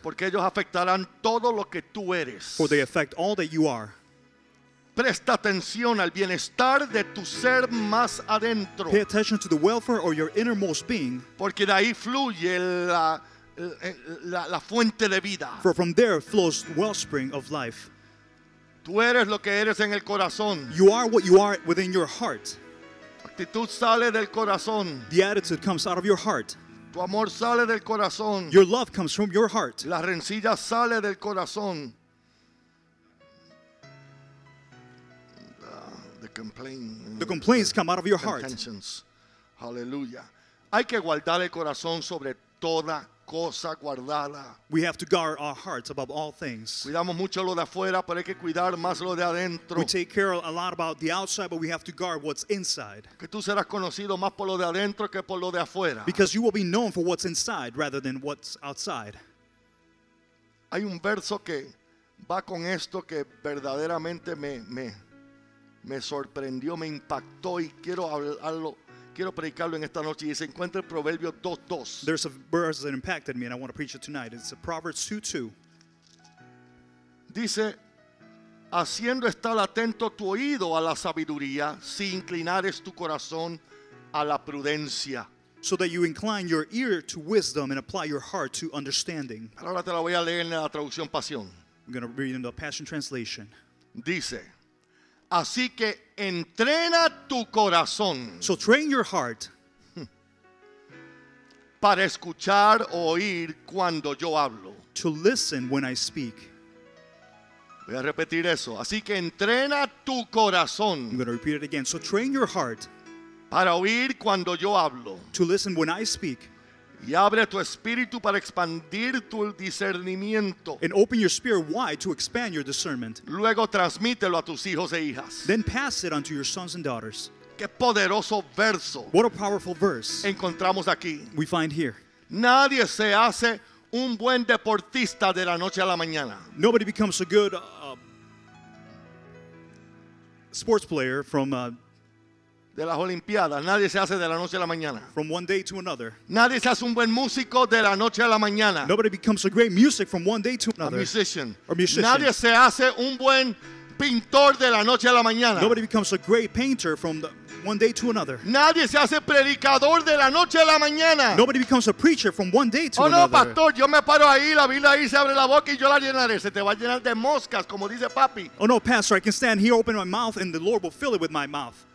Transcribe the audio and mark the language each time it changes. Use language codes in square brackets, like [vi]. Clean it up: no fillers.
[es] porque ellos afectarán todo lo que tú eres, [en] for they affect all that you are. [es] Presta atención al bienestar de tu ser más adentro. [en] Pay attention to the welfare of your innermost being, [es] porque de ahí fluye la fuente de vida. [en] For from there flows the wellspring of life. [es] Tú eres lo que eres en el corazón. [en] You are what you are within your heart. [es] La actitud sale del corazón. [en] The attitude comes out of your heart. [es] Tu amor sale del corazón. [en] Your love comes from your heart. [es] La rencilla sale del corazón. [en] The complaints come out of your heart. Contentions. Hallelujah. [es] Hay que guardar el corazón sobre toda cosa guardada. [en] We have to guard our hearts above all things. [es] Cuidamos mucho lo de afuera, pero hay que cuidar más lo de adentro. [en] We take care a lot about the outside, but we have to guard what's inside. [es] Que tú serás conocido más por lo de adentro que por lo de afuera. [en] Because you will be known for what's inside rather than what's outside. [es] Hay un verso que va con esto que verdaderamente me sorprendió, me impactó y quiero hablarlo. Quiero predicarlo en esta noche y se encuentra en Proverbios 2:2. [en] There's a verse that impacted me and I want to preach it tonight. It's Proverbs 2:2. [es] Dice, haciendo estar atento tu oído a la sabiduría, si inclinares tu corazón a la prudencia. [en] So that you incline your ear to wisdom and apply your heart to understanding. [es] Ahora te la voy a leer en la traducción Pasión. [en] I'm going to read in the Passion Translation. [es] Dice, así que entrena tu corazón. [en] So train your heart. [es] Para escuchar o oír cuando yo hablo. [en] To listen when I speak. [es] Voy a repetir eso. Así que entrena tu corazón. [en] I'm going to repeat it again. So train your heart. [es] Para oír cuando yo hablo. [en] To listen when I speak. [es] Y abre tu espíritu para expandir tu discernimiento. [en] And open your spirit wide to expand your discernment. [es] Luego transmítelo a tus hijos e hijas. [en] Then pass it on to your sons and daughters. [es] Qué poderoso verso. [en] What a powerful verse. [es] Encontramos aquí. [en] We find here. [es] Nadie se hace un buen deportista de la noche a la mañana. [en] Nobody becomes a good sports player from [es] de las Olimpiadas, nadie se hace de la noche a la mañana. [en] From one day to another. [es] Nadie se hace un buen músico de la noche a la mañana. [en] Nobody becomes a great music from one day to another. A musician. [es] Nadie se hace un buen pintor de la noche a la mañana. [en] Nobody becomes a great painter from one day to another. [es] Nadie se hace predicador de la noche a la mañana. [en] Nobody becomes a preacher from one day to another. [es] Oh no, pastor, yo me paro ahí, la Biblia ahí se abre la boca y yo la llenaré. Se te va a llenar de moscas, como dice papi. [en] Oh no, pastor, I can stand here, open my mouth, and the Lord will fill it with my mouth.